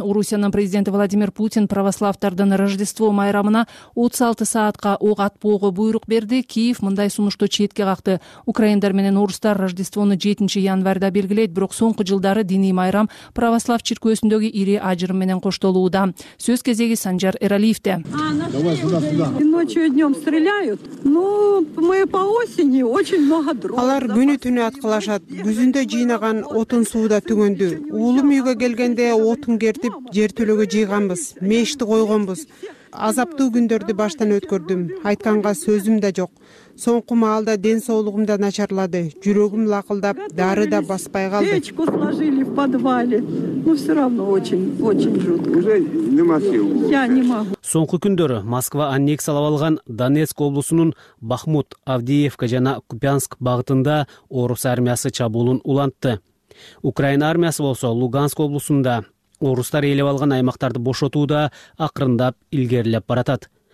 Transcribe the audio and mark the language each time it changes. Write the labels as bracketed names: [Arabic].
[Kyrgyz] Орусиянын президенти Владимир Путин православтардын Рождество майрамына 36 саатка ок атпоого буйрук берди. Киев мындай сунушту четке какты. Украиндар менен орустар Рождествону 7 январда белгилейт, бирок соңку жылдары диний майрам православ чиркөөсүндөгү ири ажырым менен коштолууда. Сөз кезеги Санжар Эралиевде. [Russian] Ночью и днем стреляют. Ну, мы по осени очень много дров. [Kyrgyz] Алар күнү түнү аткылашат. Күзүндө жыйнаган отун суу да түгөндү. Уулум үйгө келгенде отун кертип, жер төлөгө жыйганбыз. Мешти койгонбуз. Азаптуу күндөрдү баштан өткөрдүм. Айтканга сөзүм да жок. Соңку маалда ден соолугум да начарлады. Жүрөгүм лакылдап, дары да баспай калды. [Russian] Печку сложили в подвале. Но все равно очень жутко. Уже не могу. Я не могу. [Kyrgyz] Соңку күндөрү Москва аннексалап алган Донецк облусунун Бахмут, Авдеевка жана Купянск багытында орус армиясы чабуулун улантты. Украина армиясы болсо Луганск облусунда орустар ээлеп алган аймактарды бошотууда акырындап илгерилеп баратат.